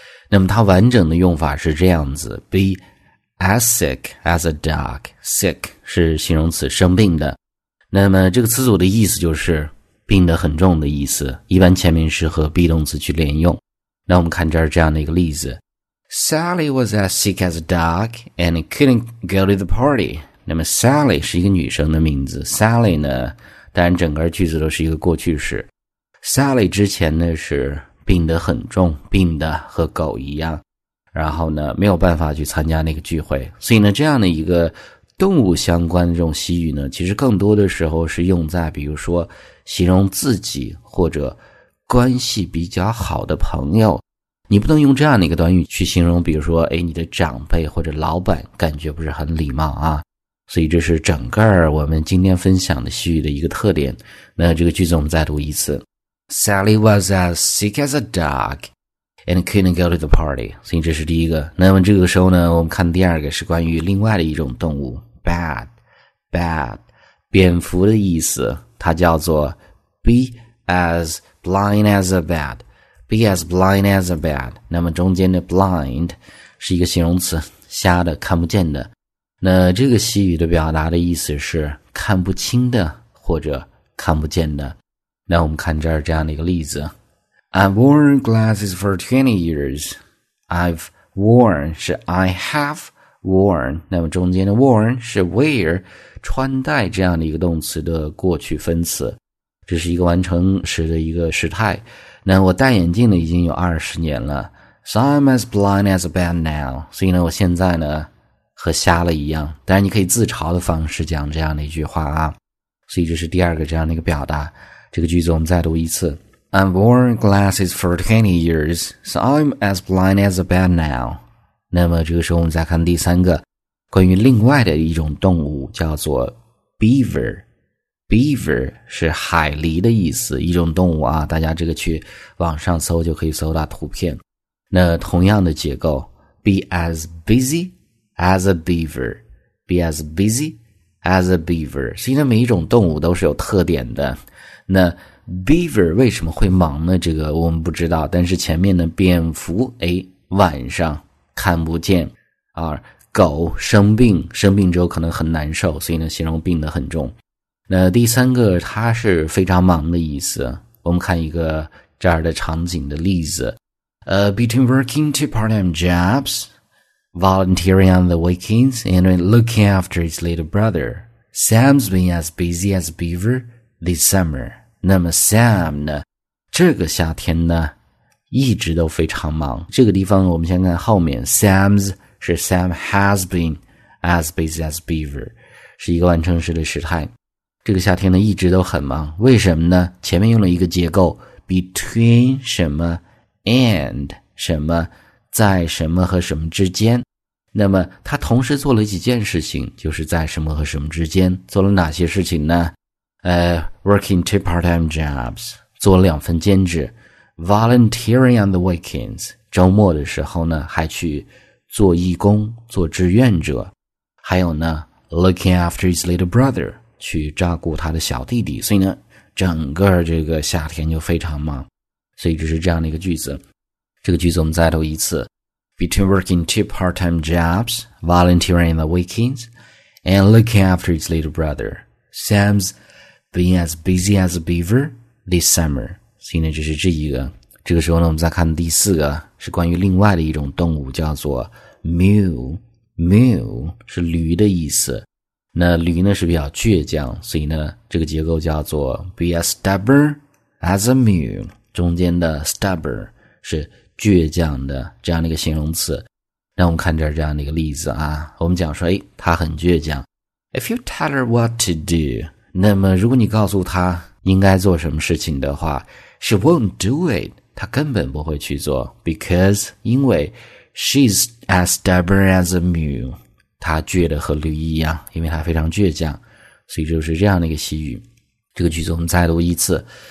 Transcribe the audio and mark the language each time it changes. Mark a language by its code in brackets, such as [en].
[zh] 那么它完整的用法是这样子 , [en] be as sick as a dog。 [zh] sick 是形容词生病的。那么这个词组的意思就是病得很重的意思，一般前面是和 be 动词去连用。那我们看这儿这样的一个例子。 [en] Sally was as sick as a dog and couldn't go to the party. [zh] 那么 Sally 是一个女生的名字。Sally 呢，当然整个句子都是一个过去式。 Sally 之前呢是病得很重，病得和狗一样。然后呢没有办法去参加那个聚会。所以呢这样的一个动物相关的这种习语呢，其实更多的时候是用在比如说形容自己或者关系比较好的朋友。你不能用这样的一个短语去形容比如说你的长辈或者老板，感觉不是很礼貌啊。所以这是整个我们今天分享的习语的一个特点。那这个句子我们再读一次。 [en] Sally was as sick as a dog and couldn't go to the party. [zh] 所以这是第一个。那么这个时候呢，我们看第二个是关于另外的一种动物 ,bat, bat, 蝙蝠的意思，它叫做 [en] be as blind as a bat, [zh] be as blind as a bat. 那么中间的 blind 是一个形容词，瞎的，看不见的。那这个习语的表达的意思是看不清的或者看不见的。那我们看这儿这样的一个例子。 [en] I've worn glasses for 20 years. I've worn 是 I have worn. [zh] 那么中间的 worn 是 wear, 穿戴这样的一个动词的过去分词。这是一个完成时的一个时态。那我戴眼镜呢已经有20年了。 [en] So I'm as blind as a bat now. [zh] 所以呢我现在呢和瞎了一样。当然你可以自嘲的方式讲这样的一句话啊。所以这是第二个这样的一个表达。这个句子我们再读一次。 I've worn glasses for 20 years, so I'm as blind as a bat now. 那么这个时候我们再看第三个关于另外的一种动物叫做 beaver。 beaver 是海狸的意思，一种动物啊，大家这个去网上搜就可以搜到图片。那同样的结构 [en] be as busy as a beaver, [zh] be as busy as a beaver. 所以那每一种动物都是有特点的。那Beaver 为什么会忙呢？这个我们不知道，但是前面的蝙蝠晚上看不见啊，狗生病之后可能很难受，所以呢形容病得很重。那第三个它是非常忙的意思，我们看一个这儿的场景的例子。 [en] Between working two part-time jobs, volunteering on the weekends, and looking after his little brother, Sam's been as busy as Beaver this summer. [zh] 那么 Sam 呢这个夏天呢一直都非常忙。这个地方我们先看后面 Sam's 是 [en] Sam has been as busy as Beaver, [zh] 是一个完成时的时态。这个夏天呢一直都很忙。为什么呢？前面用了一个结构 between 什么 and 什么，在什么和什么之间。那么他同时做了几件事情，就是在什么和什么之间做了哪些事情呢？ [en] Working two part-time jobs, [zh] 做了两份兼职。 [en] Volunteering on the weekends, [zh] 周末的时候呢还去做义工，做志愿者。还有呢 , [en] looking after his little brother, [zh] 去照顾他的小弟弟。所以呢整个这个夏天就非常忙。所以这是这样的一个句子。这个句子我们再读一次。 [en] Between working two part-time jobs, volunteering on the weekends, and looking after his little brother, Sam's being as busy as a beaver this summer. [zh] 所以呢这是这一个。这个时候呢我们再看第四个是关于另外的一种动物叫做 mule。 mule 是驴的意思。那驴呢是比较倔强，所以呢这个结构叫做 [en] be as stubborn as a mule。 [zh] 中间的 stubborn 是倔强的这样的一个形容词。那我们看这儿这样的一个例子啊。我们讲说他很倔强。 [en] If you tell her what to do, [zh] 那么如果你告诉他应该做什么事情的话， [en] She won't do it. [zh] 他根本不会去做。 [en] Because, [zh] 因为 [en] She's as stubborn as a mule. [zh] 他倔得和驴一样，因为他非常倔强。所以就是这样的一个习语。这个句子我们再读一次。